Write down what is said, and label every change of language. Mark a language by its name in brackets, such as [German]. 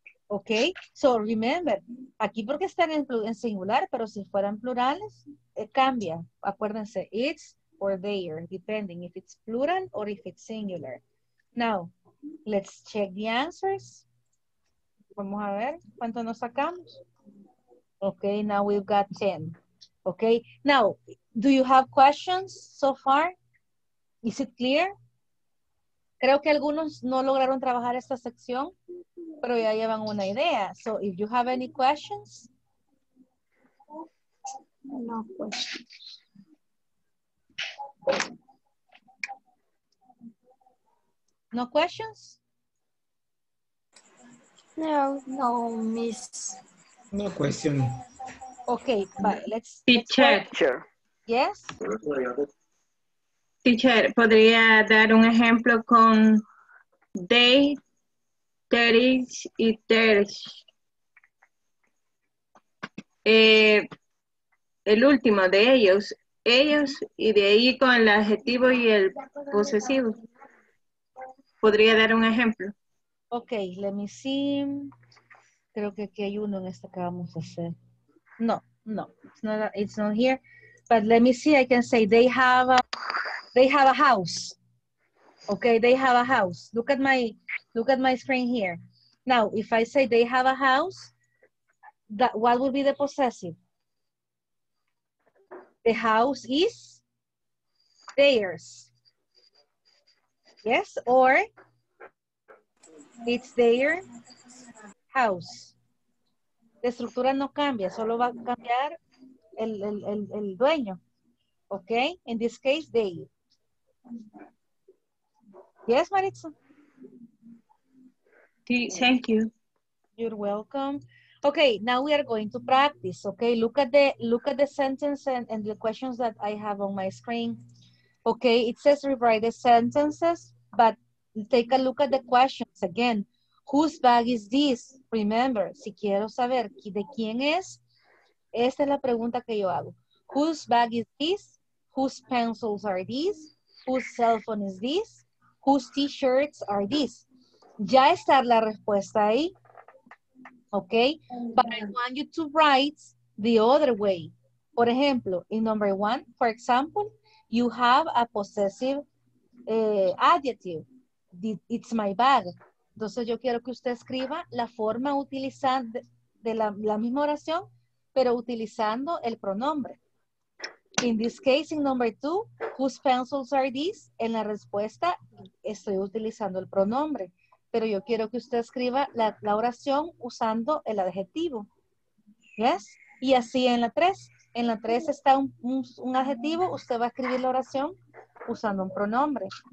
[English] Okay, so remember, [Spanish] aquí porque están en singular, pero si fueran plurales, cambia. Acuérdense, [English] it's or they're, depending if it's plural or if it's singular. Now, let's check the answers. [Spanish] Vamos a ver cuánto nos sacamos. [English] Okay, now we've got 10. Okay, now, do you have questions so far? Is it clear? [Spanish] Creo que algunos no lograron trabajar esta sección. Pero ya llevan una idea. [English] So, if you have any questions. No questions. No questions? No, miss. No question. Okay, but let's. Teacher. Yes? [Spanish] Teacher, ¿podría dar un ejemplo con they? [English] There is y there's. [Spanish] El último de ellos. Ellos y de ahí con el adjetivo y el posesivo. ¿Podría dar un ejemplo? [English] Ok, let me see. [Spanish] Creo que aquí hay uno en este que vamos a hacer. [English] No. It's not here. But let me see. I can say they have a house. Okay, they have a house. Look at my screen here. Now, if I say they have a house, what would be the possessive? The house is? theirs. Yes, or it's their house. [Spanish] La estructura no cambia, solo va a cambiar el dueño. [English] Ok, in this case, they. Yes, Maritza? Thank you. You're welcome. Okay, now we are going to practice. Okay, look at the sentence and the questions that I have on my screen. Okay, it says rewrite the sentences, but take a look at the questions again. Whose bag is this? [Spanish] Remember, si quiero saber de quién es, esta es la pregunta que yo hago. [English] Whose bag is this? Whose pencils are these? Whose cell phone is this? Whose t-shirts are these? [Spanish] Ya está la respuesta ahí. [English] Okay, but I want you to write the other way. [Spanish] Por ejemplo, [English] in number one, for example, you have a possessive adjective. It's my bag. [Spanish] Entonces yo quiero que usted escriba la forma utilizando de la misma oración, pero utilizando el pronombre. [English] In this case, in number two, whose pencils are these? [Spanish] En la respuesta, estoy utilizando el pronombre. Pero yo quiero que usted escriba la oración usando el adjetivo. Yes? Y así en la tres. En la tres está un adjetivo. Usted va a escribir la oración usando un pronombre.